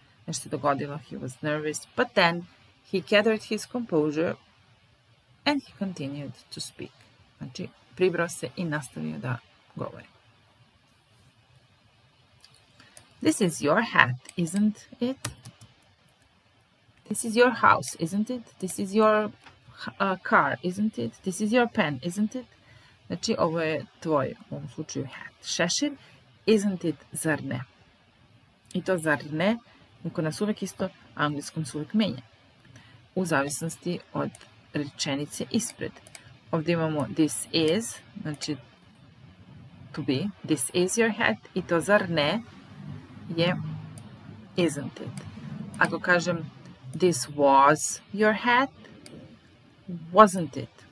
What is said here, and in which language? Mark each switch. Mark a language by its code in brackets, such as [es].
[sr] Nešto dogodilo, [en] he was nervous. But then he gathered his composure and he continued to speak. [sr] Znači, pribrao se i nastavio da govori. [en] This is your hat, isn't it? This is your house, isn't it? This is your car, isn't it? This is your pen, isn't it? [sr] Znači, ovo je tvoj, u ovom slučaju, hat. Šešir, [en] isn't it, [sr] zar ne? I to zar ne, neko nas uvek isto, a anglijskom se uvek menja. U zavisnosti od rečenice ispred. Ovdje imamo this is, znači to be, [en] this is your hat, [sr] i to zar ne je isn't it. Ako kažem [en] this was your hat, wasn't it.